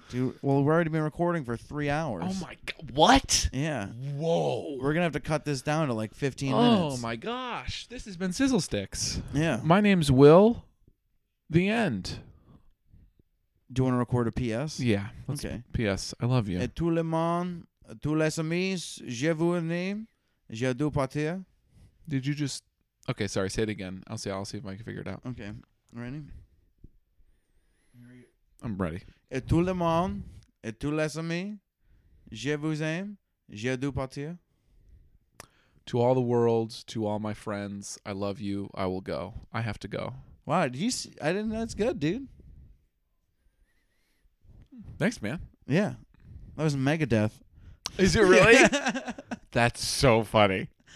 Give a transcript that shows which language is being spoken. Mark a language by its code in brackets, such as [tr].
[en] Dude, well, we've already been recording for 3 hours. Oh, my God. What? Yeah. Whoa. We're going to have to cut this down to like 15 oh minutes. Oh, my gosh. This has been Sizzle Sticks. Yeah. My name's Will. The end. Do you want to record a PS? Yeah. Okay. PS. I love you. [fr] Et tout le monde, tous les amis, je vous aime, je dois partir. [en] Did you just... Okay, sorry. Say it again. I'll see if I can figure it out. Okay. Ready? I'm ready. [fr] Et tout le monde, et tous les amis, je vous aime, je dois partir. [en] To all the world, to all my friends, I love you, I will go. I have to go. Wow, did you see, I didn't know that's good, dude. Thanks, man. Yeah. That was Megadeth. Is it really? That's so funny.